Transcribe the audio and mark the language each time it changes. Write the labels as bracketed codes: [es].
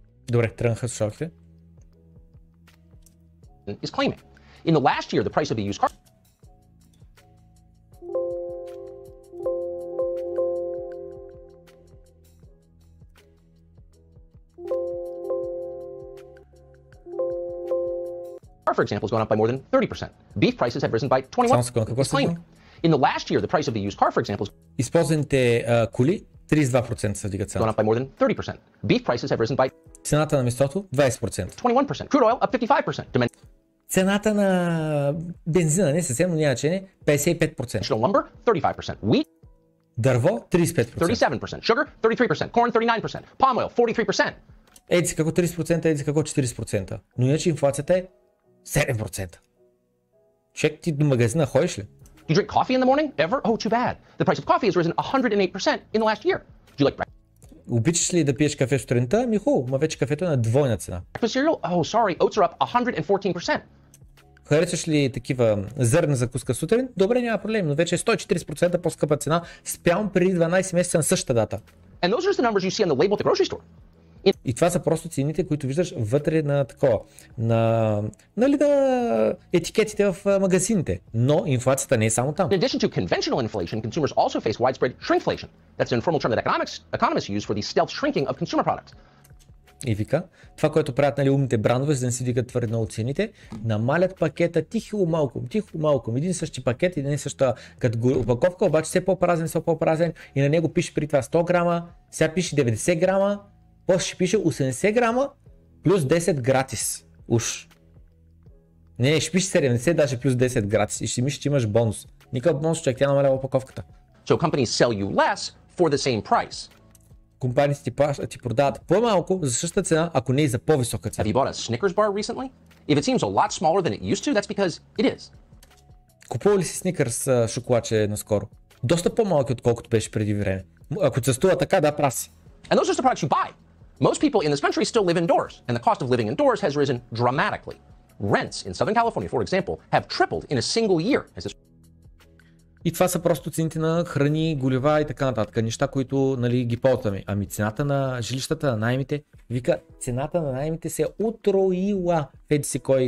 [bg] Добре, тръгнаха с шоките. [en] Is claiming. In the last year, the price of a used car... For example, has gone up by more than 30%. Beef prices have risen by 21%. In the last year, the price of the used car, for example, [bg] използваните коли 32% се вдигат цената. [en] Gone up by more than 30%. Beef prices have risen by [bg] цената на месото 20%. [en] 21%. Crude oil up 55%. [bg] Цената на бензина не съвсем, но няма че не, 55%. [en] Lumber 35%. Wheat [bg] дърво 35%. [en] 37%. Sugar 33%. Corn 39%. Palm oil 43%. [bg] Еди си какво 30%, еди си какво 40%. Но иначе инфлацията е 7%. Чек ти до магазина ходиш ли? [en] Do you drink coffee in the morning? Ever? Oh, too bad. The price of coffee has risen 108% in the last year. Do you like breakfast? [bg] Обичаш ли да пиеш кафе сутринта? Ми ху, ма вече кафето е на двойна цена. [en] Breakfast cereal? Oh, sorry. Oats are up 114%. [bg] Харесаш ли такива зърна закуска сутрин? Добре, няма проблем, но вече е 140% по-скъпа цена спрямо преди 12 месеца на същата дата. [en] And those are the numbers you see on the label at the grocery store. [bg] И това са просто цените, които виждаш вътре на такова, на, нали, на етикетите в магазините. Но инфлацията не е само там. [en] In addition to conventional inflation, consumers also face widespread shrinkflation. That's an informal term that economists use for the stealth shrinking of consumer products. [bg] И вика, това, което правят, нали, умните брандове, за да не си дигат твърде много цените, намалят пакета тихо малко, един същи пакет, един същи като опаковка, обаче все по-празен, все по-празен, и на него пише при това 100 грама, сега пише 90 грама, после ще пише 80 грама плюс 10 гратис. Уш. Не, ще пише 70, даже плюс 10 гратис. И ще мислиш, че имаш бонус. Никакъв бонус, човек, тя намалява опаковката. [en] So companies sell you less for the same price. [bg] Компаниите ти продават по-малко за същата цена, ако не и за по-висока цена. [en] Have you bought a Snickers bar recently? If it seems a lot smaller than it used to, that's because it is. [bg] Купува ли си Snickers шоколадче наскоро? Доста по-малки, отколкото беше преди време. Ако се струва така, да, праси. [en] And those are the products you buy. Most people in this country still live indoors, and the cost of living indoors has risen dramatically. Rents in Southern California, for example, have tripled in a single year. [bg] И това са просто цените на храни, голива и така нататък, неща, които, нали, ги ползваме. Ами цената на жилищата, на наймите, вика, цената на наймите се утроила в един си кой